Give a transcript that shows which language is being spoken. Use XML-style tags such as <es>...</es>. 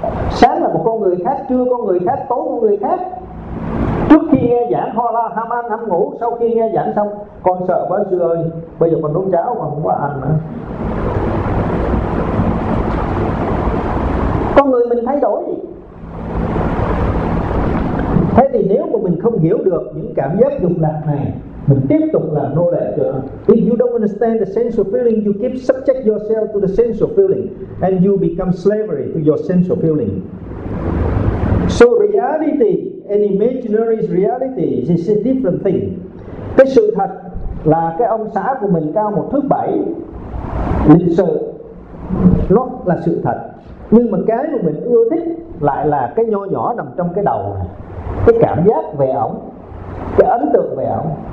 <vi>Sáng là một con người khác, trưa con người khác, tối con người khác. Trước khi nghe giảng ho la ham ăn ham ngủ, sau khi nghe giảng xong con sợ quá sư ơi, bây giờ còn nấu cháo mà không có ăn nữa. Con người mình thay đổi. Thế thì nếu mà mình không hiểu được những cảm giác dục lạc này, mình tiếp tục làm nô lệ cho nó.</vi> <en>If you don't understand the sensual feeling, you keep subject yourself to the sensual feeling, and you become slavery to your sensual feeling. So reality and imaginary reality is a different thing.</en> <vi>Cái sự thật là cái ông xã của mình cao một thước bảy lịch sự, nó là sự thật. Nhưng mà cái mà mình ưa thích lại là cái nho nhỏ nằm trong cái đầu này. Cái cảm giác về ổng, cái ấn tượng về ổng.</vi>